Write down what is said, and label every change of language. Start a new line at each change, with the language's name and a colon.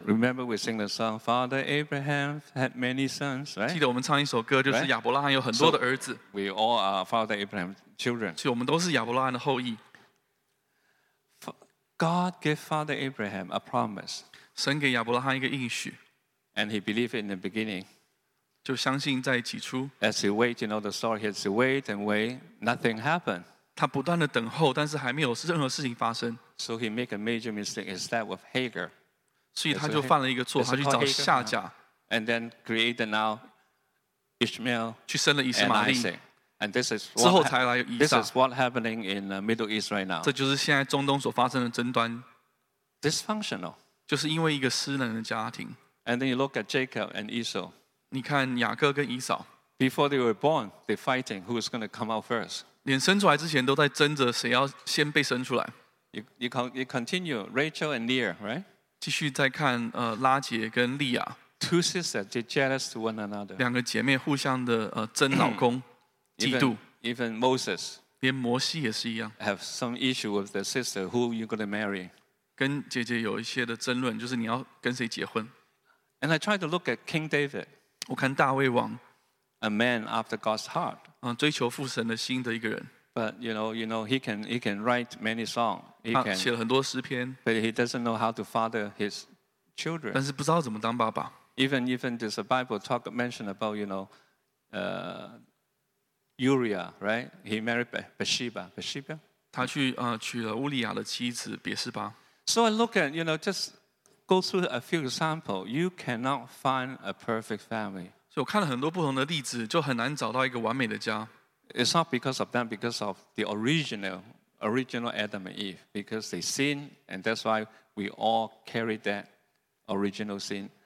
English: Remember we sing the song, Father Abraham had many sons, right?
Chinese: 记得我们唱一首歌，就是亚伯拉罕有很多的儿子。
English: So we all are Father Abraham's children.
Chinese: 所以我们都是亚伯拉罕的后裔。
English: God gave Father Abraham a promise.
Chinese: 神给亚伯拉罕一个应许。
English: And he believed it in the beginning.
Chinese: 就相信在起初。
English: As he waited, you know the story, as he waited and waited, nothing happened.
Chinese: 他不断地等候，但是还没有任何事情发生。
English: So he made a major mistake instead of Hagar.
Chinese: 所以他就犯了一个错，他去找夏甲。
English: And then created now Ishmael and Isaac. And this is what happening in the Middle East right now.
Chinese: 这就是现在中东所发生的争端。
English: Dysfunctional.
Chinese: 就是因为一个失能的家庭。
English: And then you look at Jacob and Esau.
Chinese: 你看雅各跟以扫。
English: Before they were born, they're fighting who is going to come out first.
Chinese: 连生出来之前都在争着谁要先被生出来。
English: You continue, Rachel and Leah, right?
Chinese: 继续再看, 拉结跟利亚。
English: Two sisters, they're jealous to one another.
Chinese: 两个姐妹互相的, 争老公, 嫉妒。
English: Even Moses.
Chinese: 连摩西也是一样。
English: Have some issue with their sister, who are you going to marry?
Chinese: 跟姐姐有一些的争论, 就是你要跟谁结婚。
English: And I try to look at King David.
Chinese: 我看大卫王。
English: A man after God's heart.
Chinese: 追求父神的心的一个人。
English: But you know, he can write many songs. But he doesn't know how to father his children.
Chinese: 但是不知道怎么当爸爸。
English: Even this Bible talk mentioned about, you know, Uriah, right? He married Bathsheba.
Chinese: 他娶了乌利亚的妻子别示巴。
English: So I look at, you know, just go through a few examples. You cannot find a perfect family.
Chinese: 所以我看了很多不同的例子，就很难找到一个完美的家。
English: It's not because of them, because of the original Adam and Eve. Because they sin, and that's why we all carry that original sin.